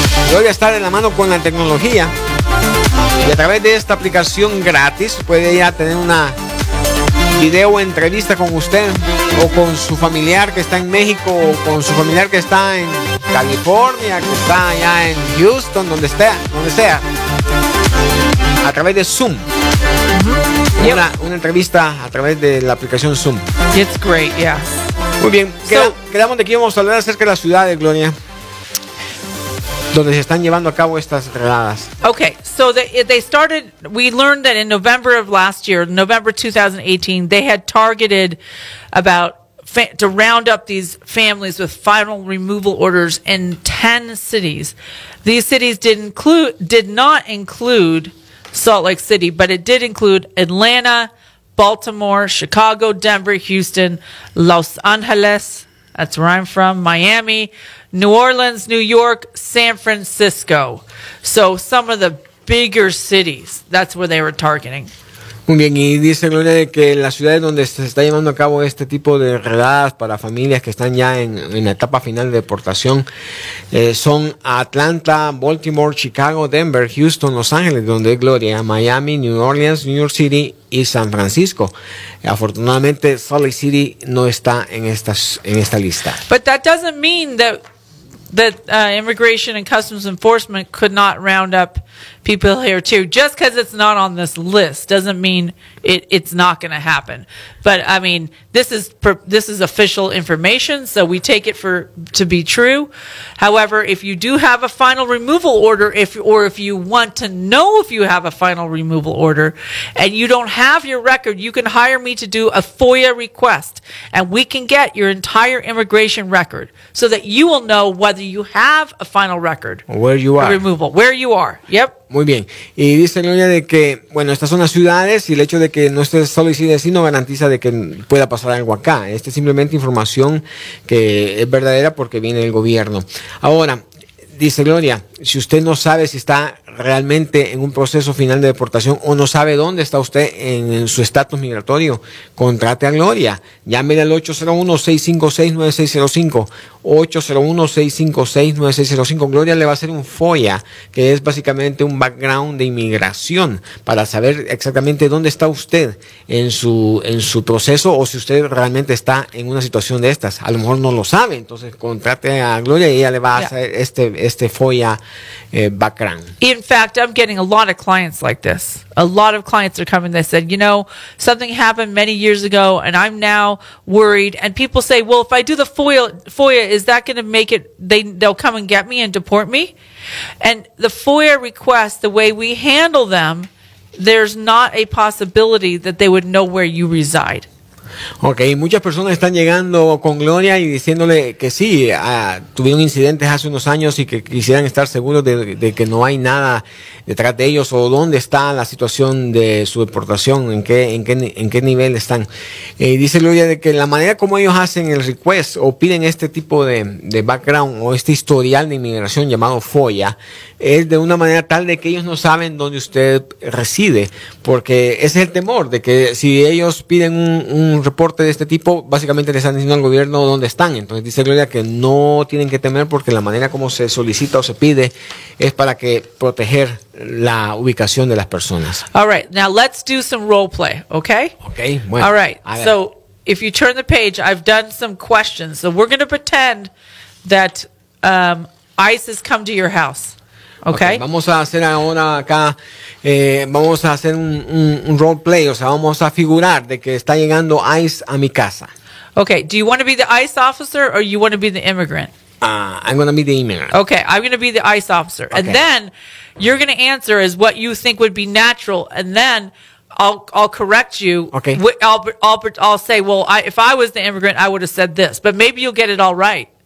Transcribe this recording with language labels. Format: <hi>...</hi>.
<es>Gloria está de la mano con la tecnología. Y a través de esta aplicación gratis puede ya tener una video entrevista con usted o con su familiar que está en México, o con su familiar que está en California, que está allá en Houston, donde sea, a través de Zoom. Uh-huh. Una entrevista a través de la aplicación Zoom.</es> <en>It's great, yeah.</en> <es>Muy bien, quedamos de aquí, vamos a hablar acerca de la ciudad de Gloria, donde se están llevando a cabo estas redadas.</es> <en>Okay, so they started, we learned that in November of last year, November 2018, they had targeted about, to round up these families with final removal orders in 10 cities. These cities did not include Salt Lake City, but it did include Atlanta, Baltimore, Chicago, Denver, Houston, Los Angeles, that's where I'm from, Miami, New Orleans, New York, San Francisco. So some of the bigger cities, that's where they were targeting.</en> <es>Muy bien, y dice Gloria que las ciudades donde se está llevando a cabo este tipo de redadas para familias que están ya en la etapa final de deportación son Atlanta, Baltimore, Chicago, Denver, Houston, Los Ángeles, donde es Gloria, Miami, New Orleans, New York City y San Francisco. Afortunadamente, Salt Lake City no está en esta lista.</es> <en>But that doesn't mean that Immigration and Customs Enforcement could not round up people here too. Just because it's not on this list doesn't mean it's not going to happen. But I mean, this is official information, so we take it to be true. However, if you do have a final removal order, if you want to know if you have a final removal order and you don't have your record, you can hire me to do a FOIA request and we can get your entire immigration record so that you will know whether you have a final record. Where you are. Removal. Where you are. Yep.</en> <es>Muy bien. Y dice Gloria de que, bueno, estas son las ciudades y el hecho de que no esté solo y sin decir no garantiza de que pueda pasar algo acá. Esta es simplemente información que es verdadera porque viene del gobierno. Ahora, dice Gloria, si usted no sabe si está realmente en un proceso final de deportación o no sabe dónde está usted en su estatus migratorio, contrate a Gloria. Llámele al 801-656-9605. 801-656-9605. Gloria le va a hacer un FOIA, que es básicamente un background de inmigración, para saber exactamente dónde está usted en su proceso o si usted realmente está en una situación de estas. A lo mejor no lo sabe, entonces contrate a Gloria y ella le va a hacer este FOIA background.</es> <en>In fact, I'm getting a lot of clients like this. A lot of clients are coming. They said, you know, something happened many years ago and I'm now worried. And people say, well, if I do the FOIA, is that going to make it, they'll come and get me and deport me? And the FOIA request, the way we handle them, there's not a possibility that they would know where you reside.</en> <es>Okay, muchas personas están llegando con Gloria y diciéndole que sí, tuvieron incidentes hace unos años y que quisieran estar seguros de que no hay nada detrás de ellos o dónde está la situación de su deportación, en qué nivel están. Dice Gloria de que la manera como ellos hacen el request o piden este tipo de background o este historial de inmigración llamado FOIA es de una manera tal de que ellos no saben dónde usted reside, porque ese es el temor, de que si ellos piden un reporte de este tipo, básicamente le están diciendo al gobierno dónde están. Entonces dice Gloria que no tienen que temer porque la manera como se solicita o se pide es para que proteger la ubicación de las personas.</es> <en>All right, now let's do some role play, okay?</en> <es>Okay, bueno.</es> <en>All right, so if you turn the page, I've done some questions. So we're going to pretend that ICE has come to your house. Okay. Okay.</en> <es>Vamos a hacer ahora acá, vamos a hacer un role play, o sea, vamos a figurar de que está llegando ICE a mi casa.</es> <en>Okay, do you want to be the ICE officer or you want to be the immigrant? I'm going to be the immigrant. Okay, I'm going to be the ICE officer. Okay. And then you're going to answer is what you think would be natural, and then I'll correct you. Okay. I'll say, well, if I was the immigrant, I would have said this, but maybe you'll get it all right.</en>